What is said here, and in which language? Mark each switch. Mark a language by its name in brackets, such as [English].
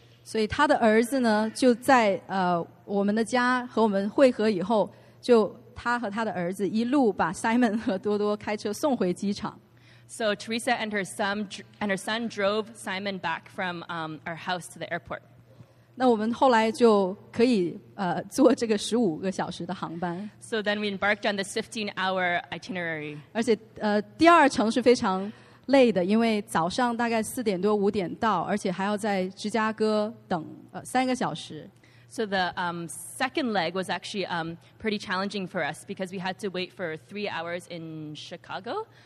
[Chinese] 所以他的儿子呢，就在我们的家和我们会合以后，就他和他的儿子一路把Simon和多多开车送回机场。 [English] So Teresa and her son drove Simon back from our house to the airport. [Chinese] 那我们后来就可以坐这个15个小时的航班。 [English] So then we embarked on this 15-hour itinerary. [Chinese] 而且第二程是非常累的，因为早上大概4点多5点到，而且还要在芝加哥等3个小时。 [English] So the second leg was actually pretty challenging for us because we had to wait for 3 hours in Chicago.